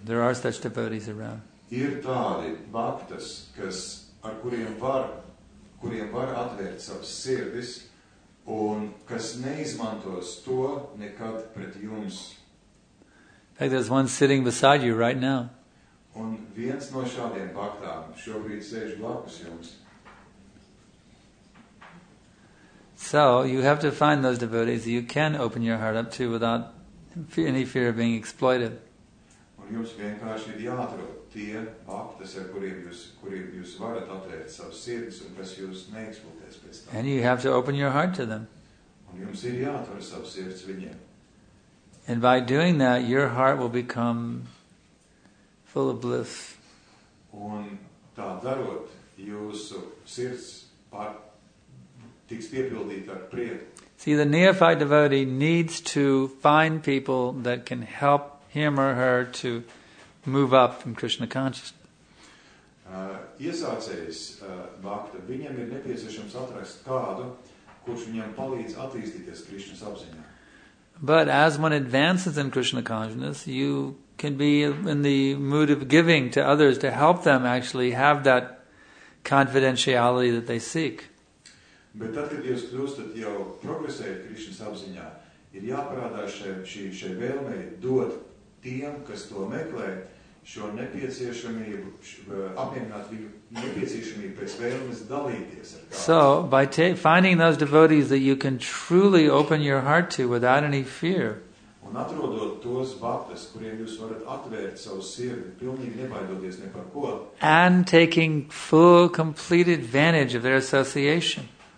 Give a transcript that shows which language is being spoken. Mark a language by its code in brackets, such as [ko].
[en] There are such devotees around. [lv] Ir tādi bhaktas, kas ar kuriem var atvērt savas sirdis un kas neizmantos to nekad pret jums. [en] Like there's one sitting beside you right now. [lv] Un viens no šādiem bhaktām šobrīd sēž blakus jums. [en] So you have to find those devotees that you can open your heart up to without any fear of being exploited. [lv] Un jums vienkārši ir jāatrod tie bhaktas, ar kuriem jūs varat atvērt savas sirdis un kas jūs neeksploatēs pēc tam. [en] And you have to open your heart to them. [lv] Un jums ir jāatver savas sirds viņiem. [en] And by doing that, your heart will become full of bliss. [lv] Un tā darot, jūsu sirds tiks piepildīta ar prieku. [en] See, the neophyte devotee needs to find people that can help him or her to move up from Krishna consciousness. [lv] Iesācējs bhakta, viņam ir nepieciešams atrast kādu, kurš viņam palīdz attīstīties Krishnas apziņā. [en] But as one advances in Krishna consciousness, you can be in the mood of giving to others to help them actually have that confidentiality that they seek. [lv] Bet tad, kad jūs kļūstat jau progresējot Krishnas apziņā, ir jāparādās šai vēlmei dot tiem, kas to meklē, šo nepieciešamību, apmierināt viņu nepieciešamību pēc vēlmes dalīties ar kādu. [en] So, by finding those devotees that you can truly open your heart to without any fear. [lv] Un atrodot tos bhaktas, kuriem jūs varat atvērt savu sirdi, pilnīgi nebaidoties ne par ko. [en] And taking full, complete advantage of their association.